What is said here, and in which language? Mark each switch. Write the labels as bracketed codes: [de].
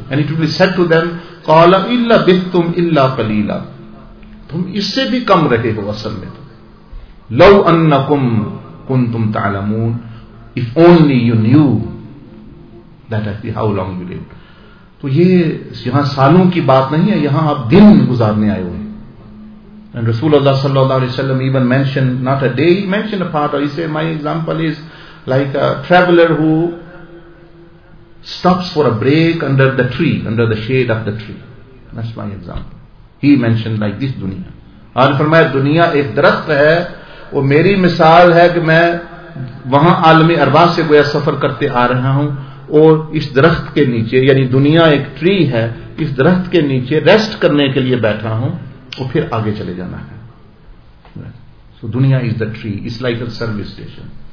[en] And it will be said to them, [ar] قَالَ إِلَّا بِثْتُمْ إِلَّا قَلِيلًا, [ur] تم اس سے بھی کم رہے ہو اصل میں. [ar] لَوْ أَنَّكُمْ كُنْتُمْ تَعْلَمُونَ, [en] if only you knew that actually how long you live. [ur] تو یہ یہاں سالوں کی بات نہیں ہے, یہاں آپ دن گزارنے آئے ہوئے. [en] And Rasulullah sallallahu alaihi wasallam even mentioned not a day, he mentioned a part of, he said, my example is like a traveler who stops for a break under the tree, under the shade of the tree. That's my example. He mentioned like this دنیا. [ur] اور فرمایا دنیا ایک درخت ہے, وہ میری مثال ہے کہ میں وہاں عالم اربع سے گویا سفر کرتے آ رہا ہوں, اور اس درخت کے نیچے, یعنی دنیا ایک ٹری ہے, اس درخت کے نیچے ریسٹ کرنے کے لیے بیٹھا ہوں اور پھر آگے چلے جانا ہے. [en] So دنیا is the tree, it's like a service station.